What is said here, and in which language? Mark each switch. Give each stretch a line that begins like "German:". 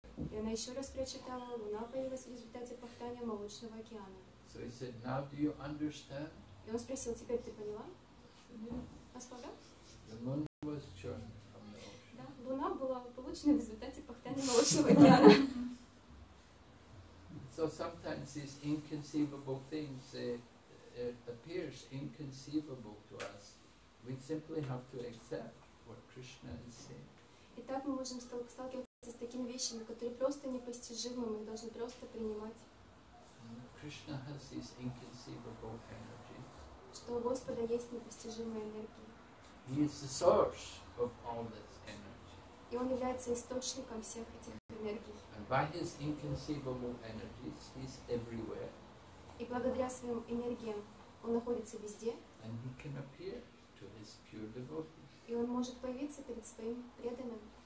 Russian: И она еще раз прочитала, луна появилась в результате пахтания молочного океана.
English: So he said, now do you understand?
Russian: И он спросил, теперь ты поняла?
English: The moon was churned from the ocean.
Russian: Да, луна была получена в результате пахтания молочного океана.
English: So sometimes these inconceivable things, it appears inconceivable to us. We simply have to accept what Krishna is saying.
Russian: Итак, мы можем сталкиваться с такими вещами, которые просто непостижимы, мы должны просто принимать.
English: Krishna has these inconceivable energies.
Russian: Что у Господа есть непостижимые энергии.
English: He is the source of all this energy.
Russian: И он является источником всех этих энергий.
English: And by his inconceivable energies, he is everywhere.
Russian: И благодаря своим энергиям он находится везде.
English: And he can appear to his pure devotees.
Russian: И он может появиться перед своим преданным.